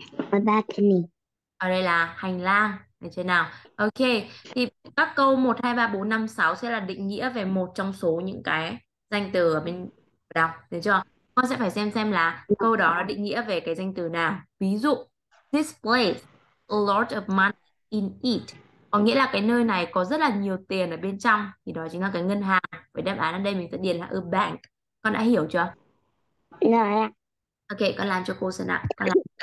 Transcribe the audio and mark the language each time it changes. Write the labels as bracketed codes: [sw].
[en] Balcony. [vi] ở đây là hành lang, được chưa nào? Ok, thì các câu 1, 2, 3, 4, 5, 6 sẽ là định nghĩa về một trong số những cái danh từ ở bên đọc, được chưa? Con sẽ phải xem là câu đó nó định nghĩa về cái danh từ nào. Ví dụ, [en] this place, a lot of money in it. [vi] Có nghĩa là cái nơi này có rất là nhiều tiền ở bên trong. Thì đó chính là cái ngân hàng. Với đáp án ở đây mình sẽ điền là a bank. Con đã hiểu chưa? Rồi. Ok, con làm cho cô xem nào. Con làm.